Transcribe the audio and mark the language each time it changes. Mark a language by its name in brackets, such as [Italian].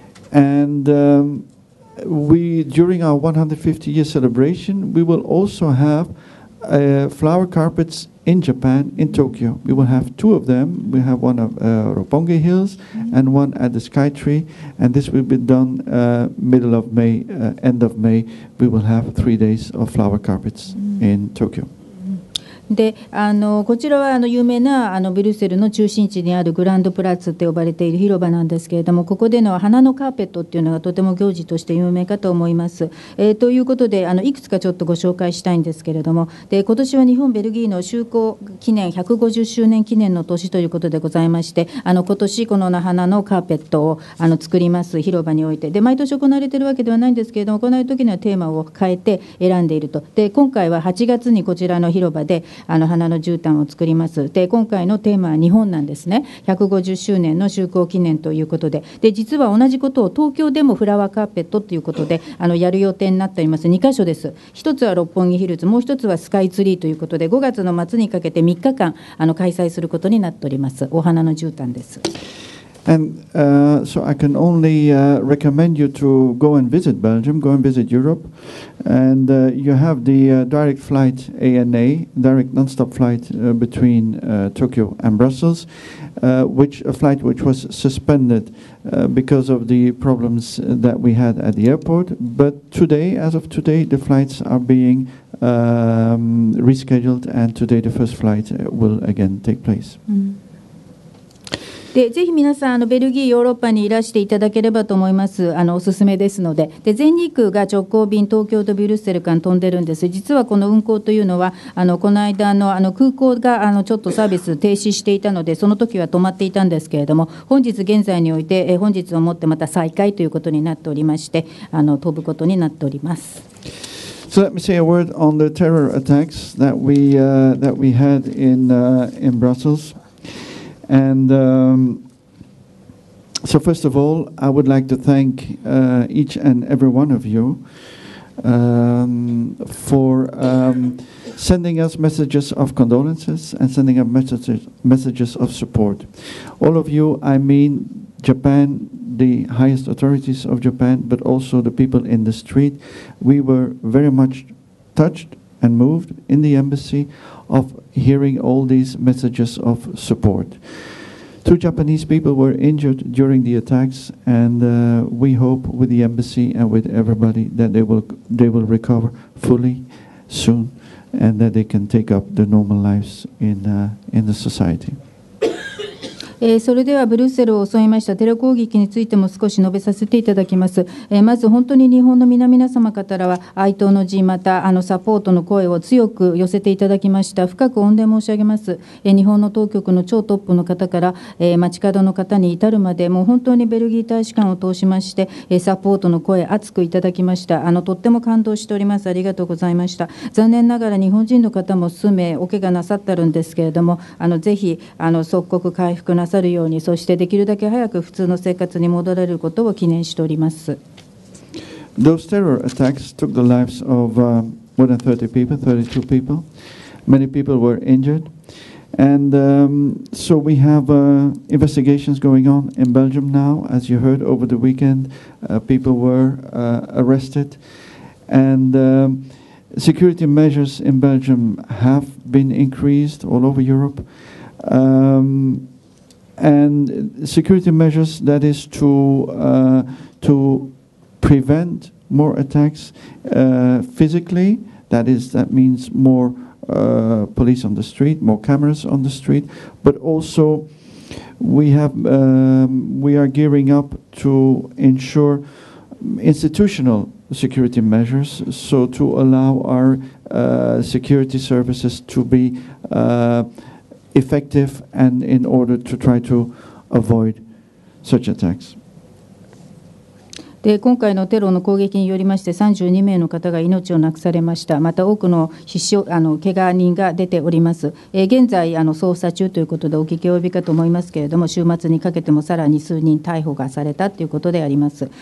[English] And we, during our 150-year celebration, we will also have flower carpets in Japan, in Tokyo. We will have two of them. We have one of Roppongi Hills and one at the Sky Tree. And this will be done middle of May, end of May. We will have 3 days of flower carpets in Tokyo. [Japanese] でこちらは有名なブリュッセルの中心地にあるグランドプラッツと呼ばれている広場なんですけれども、ここでの花のカーペットっていうのがとても行事として有名かと思います。ということでいくつかちょっとご紹介したいんですけれども、で今年は日本ベルギーの就航記念150周年記念の年ということでございまして、今年この花のカーペットを作ります広場において、で毎年行われているわけではないんですけれども、行う時にはテーマを変えて選んでいると。で今回は8月にこちらの広場で花の絨毯を作ります。で今回のテーマは日本なんですね。150周年の就航記念ということ で実は同じことを東京でもフラワーカーペットということでやる予定になっております。2箇所です。 1つは六本木ヒルズ、もう1つはスカイツリーということで、5月の末にかけて3日間開催することになっております。お花の絨毯です。 [English] And so I can only recommend you to go and visit Belgium, go and visit Europe. And you have the direct flight ANA, direct non-stop flight between Tokyo and Brussels, which a flight which was suspended because of the problems that we had at the airport. But today, as of today, the flights are being rescheduled, and today the first flight will again take place. Mm-hmm. [Japanese] でぜひ皆さんベルギーヨーロッパにいらしていただければと思います。おすすめですの で, で全日空が直行便東京とブリュッセル間飛んでるんです。実はこの運航というのはこの間 の, 空港がちょっとサービス停止していたのでその時は止まっていたんですけれども、本日現在においてえ本日をもってまた再開ということになっておりまして飛ぶことになっております。 [English] So let me say a word on the terror attacks that we,that we had in,in Brussels. And so first of all, I would like to thank each and every one of you for sending us messages of condolences and sending us messages of support. All of you, I mean Japan, the highest authorities of Japan, but also the people in the street. We were very much touched and moved in the embassy of hearing all these messages of support. Two Japanese people were injured during the attacks, and we hope with the embassy and with everybody that they will recover fully soon, and that they can take up their normal lives in the society. [Japanese] それではブリュッセルを襲いましたテロ攻撃についても少し述べさせていただきます。まず本当に日本の皆々様からは哀悼の辞、またサポートの声を強く寄せていただきました。深く御礼申し上げます。日本の当局の超トップの方から街角の方に至るまでもう本当にベルギー大使館を通しましてサポートの声熱くいただきました。とっても感動しております。ありがとうございました。残念ながら日本人の方も数名おけがなさったるんですけれども、ぜひ即刻回復なさるように、そしてできるだけ早く普通の生活に戻られることを記念しております。 [English] Those terror attacks took the lives of more than 30 people, 32 people. Many people were injured. And so we have investigations going on in Belgium now. As you heard over the weekend, people were arrested. And security measures in Belgium have been increased all over Europe. And security measures, that is to prevent more attacks physically, that means more police on the street, more cameras on the street, but also we are gearing up to ensure institutional security measures, so to allow our security services to beEffective and in order to try to avoid such attacks. [Japanese] で今回のテロの攻撃によりまして32名の方が命を亡くされました。また多くの死傷けが人が出ております。現在捜査中ということでお聞き及びかと思いますけれども、週末にかけてもさらに数人逮捕がされたということであります。